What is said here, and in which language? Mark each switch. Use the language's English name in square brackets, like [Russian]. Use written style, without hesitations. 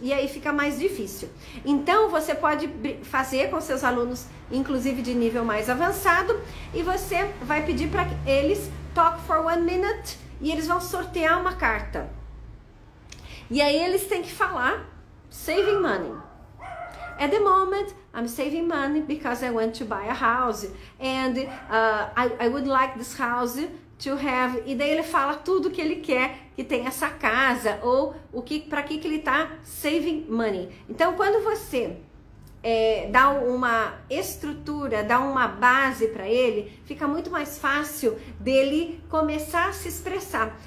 [Portuguese] E aí fica mais difícil. Então, você pode fazer com seus alunos, inclusive de nível mais avançado, e você vai pedir para eles [English] talk for 1 minute [Portuguese] e eles vão sortear uma carta. E aí eles têm que falar [English] saving money. At the moment, I'm saving money because I want to buy a house and I would like this house to have. [Portuguese] E daí ele fala tudo que ele quer que tenha essa casa ou o que, para que ele está [English] saving money. [Portuguese] Então, quando você dá uma estrutura, dá uma base para ele, fica muito mais fácil dele começar a se expressar.